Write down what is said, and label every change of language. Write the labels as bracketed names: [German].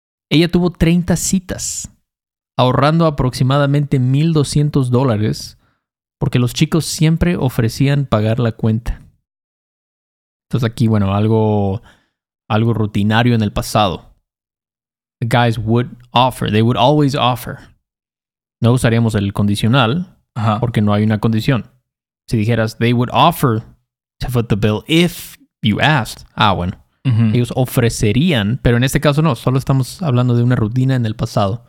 [Spanish] Ella tuvo 30 citas, ahorrando aproximadamente $1,200 porque los chicos siempre ofrecían pagar la cuenta. Entonces aquí, bueno, algo rutinario en el pasado. [English] The guys would offer. They would always offer. [Spanish] No usaríamos el condicional porque no hay una condición. Si dijeras, [English] they would offer to foot the bill if you asked. [Spanish] Ah, bueno. Uh-huh. Ellos ofrecerían, pero en este caso no. Solo estamos hablando de una rutina en el pasado.